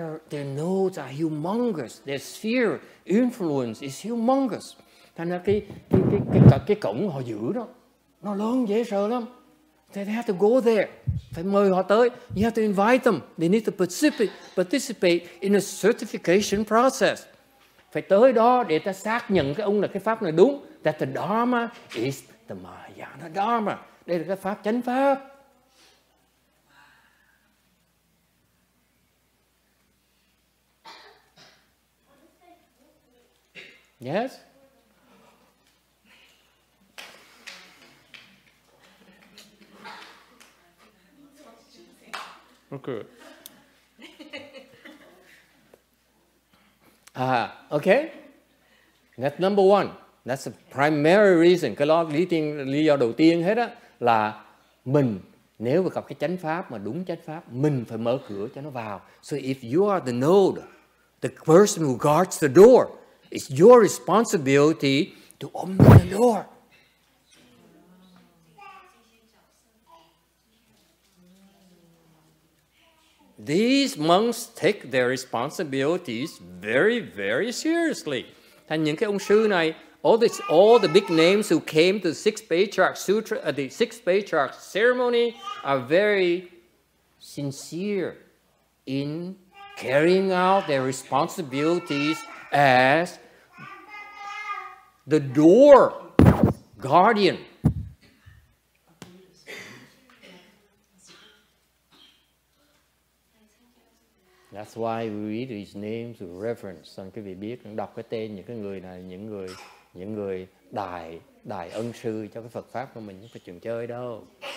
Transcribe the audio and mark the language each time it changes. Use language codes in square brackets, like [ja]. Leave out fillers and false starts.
[en] Their notes are humongous. Their sphere influence is humongous. [vi] Thành ra cái cổng họ giữ đó, nó lớn dễ sợ lắm. [en] They have to go there. [vi] Phải mời họ tới. [en] You have to invite them. They need to participate in a certification process. [vi] Phải tới đó để ta xác nhận cái ông là cái pháp này đúng. [en] That the Dharma is the Mahayana Dharma. [vi] Đây là cái pháp chánh pháp. [en] Yes? Okay. Okay. That's number one. That's the primary reason. [vi] Cái lý do đầu tiên hết á là mình nếu mà gặp cái chánh pháp mà đúng chánh pháp, mình phải mở cửa cho nó vào. [en] So if you are the node, the person who guards the door, it's your responsibility to open the door. These monks take their responsibilities very, very seriously. [vi] Thành những cái ông sư này, [en] all the big names who came to the 6th Patriarch Sutra, the 6th Patriarch ceremony, are very sincere in carrying out their responsibilities as the door guardian. That's why we read these names with reverence. [vi] Xong quý vị biết, đọc cái tên những cái người này, những người đại ân sư cho cái Phật pháp của mình, không phải chuyện chơi đâu.